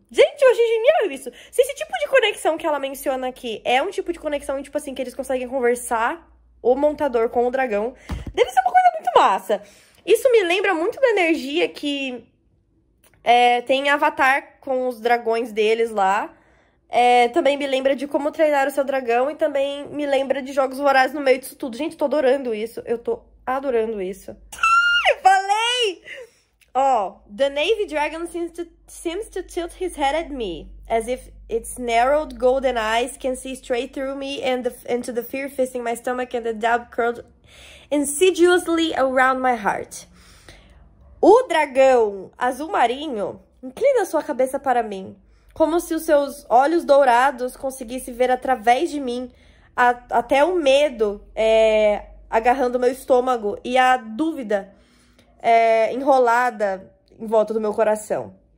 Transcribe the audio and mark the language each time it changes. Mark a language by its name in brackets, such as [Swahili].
[Portuguese] Gente, eu achei genial isso. Se esse tipo de conexão que ela menciona aqui é um tipo de conexão, tipo assim, que eles conseguem conversar o montador com o dragão, deve ser uma coisa muito massa. Isso me lembra muito da energia que tem Avatar com os dragões deles lá. É, também me lembra de Como Treinar o Seu Dragão e também me lembra de Jogos Vorazes no meio disso tudo. Gente, tô adorando isso. Eu tô adorando isso. Falei! [English] Ó, oh, the Navy Dragon seems to tilt his head at me, as if its narrowed golden eyes can see straight through me and into the fear facing my stomach and the doubt curled insidiously around my heart. [Portuguese] O dragão azul marinho inclina sua cabeça para mim, como se os seus olhos dourados conseguissem ver através de mim até o medo agarrando o meu estômago e a dúvida enrolada em volta do meu coração.